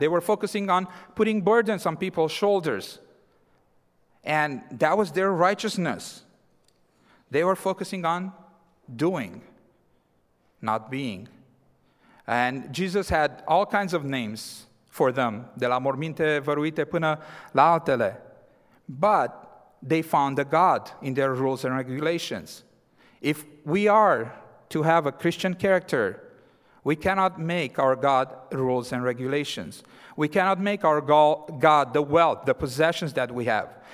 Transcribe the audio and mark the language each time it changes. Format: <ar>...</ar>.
<en>They were focusing on putting burdens on people's shoulders. And that was their righteousness. They were focusing on doing, not being. And Jesus had all kinds of names for them.</en> <ro>De la morminte văruite până la altele.</ro> <en>But they found a God in their rules and regulations. If we are to have a Christian character, we cannot make our God rules and regulations. We cannot make our God the wealth, the possessions that we have.</en>